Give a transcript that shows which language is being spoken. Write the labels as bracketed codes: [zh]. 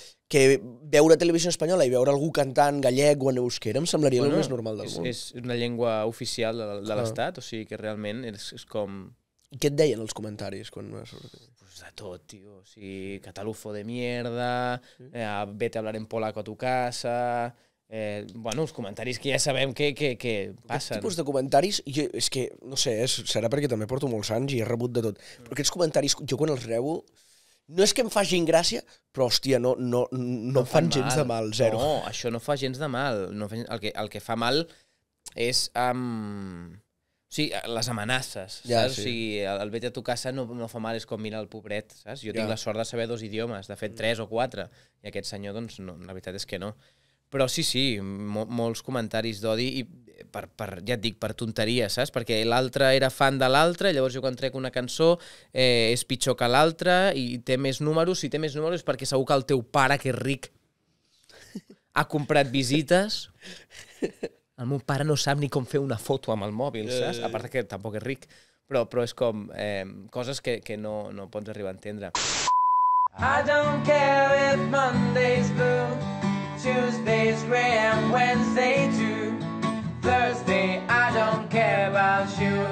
[ca] Que veure televisió espanyola i veure algú cantant gallec o en euskera em semblaria el més normal del món. És una llengua oficial de l'Estat, o sigui que realment és com... I què et deien els comentaris quan vas sortir? Pues de tot, tio. O sigui, [es] catalufo de mierda, vete a hablar en polaco a tu casa... [ca] bueno, els comentaris que ja sabem que passen. Aquest tipus de comentaris, jo, és que, no sé, serà perquè també porto molts anys i he rebut de tot, però aquests comentaris, jo quan els rebo, no és que em facin gràcia, però, hòstia, no em fan gens de mal, zero. No, això no fa gens de mal. No fa, el que fa mal és o sigui, les amenaces, ja, saps? Sí. O sigui, el vet a tu casa no fa mal, és com mirar el pobret, saps? Jo tinc la sort de saber 2 idiomes, de fet, 3 o 4, i aquest senyor, doncs, no, la veritat és que no. Però sí, molts comentaris d'odi i per ja et dic, per tonteria, saps? Perquè l'altre era fan de l'altre, llavors jo quan trec una cançó és pitjor que l'altre i té més números, si té més números perquè segur que el teu pare, que és ric, ha comprat visites. El meu pare no sap ni com fer una foto amb el mòbil, saps? A part que tampoc és ric, però és com coses que no pots arribar a entendre. [en] I don't care if Monday's blue, Tuesday's gray and Wednesday too. Thursday, I don't care about you.